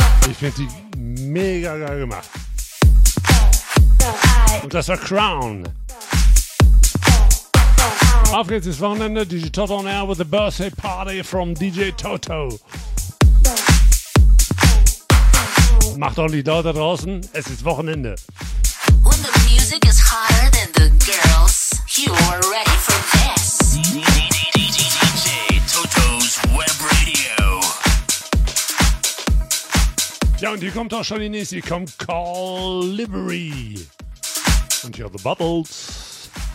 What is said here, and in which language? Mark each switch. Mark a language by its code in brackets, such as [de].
[de] Ich finde die mega geil gemacht. Und das war Crown. Auf geht's ins Wochenende. [en] DJ Toto on air with the birthday party from DJ Toto. [de] Macht doch die Leute draußen. Es ist Wochenende. [en] When the music is hotter than the girls, you are ready for this. DJ Toto's Web Radio. [de] Ja, und hier kommt auch schon die nächste. Hier kommt Calibri. [en] And here are the bubbles.